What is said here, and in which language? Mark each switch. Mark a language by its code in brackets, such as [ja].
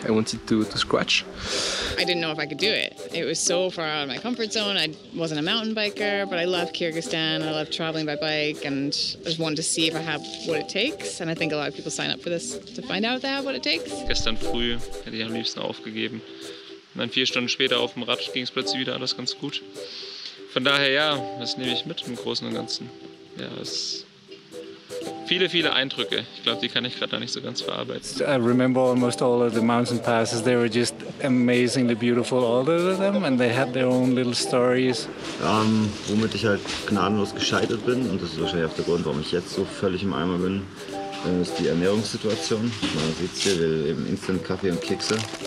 [en] I wanted to scratch. I didn't know if I could do it. It was so far out of my comfort zone. I wasn't a mountain biker, but I love Kyrgyzstan. I love traveling by bike, and I just wanted to see if I have what it takes. And I think a lot of people sign up for this to find out if they have what it takes. [de] Gestern früh hätte ich am liebsten aufgegeben. Und dann 4 Stunden später auf dem Rad ging es plötzlich wieder alles ganz gut. Von daher, ja, das nehme ich mit im Großen und Ganzen. Ja, es viele, viele Eindrücke. Ich glaube, die kann ich gerade noch nicht so ganz verarbeiten. [en] I remember almost all of the mountain passes. They were just amazingly beautiful, all of them, and they had their own little stories. [de] Womit ich halt gnadenlos gescheitert bin, und das ist wahrscheinlich auch der Grund, warum ich jetzt so völlig im Eimer bin, ist die Ernährungssituation. Man sieht es hier, wir eben Instant Kaffee und Kekse.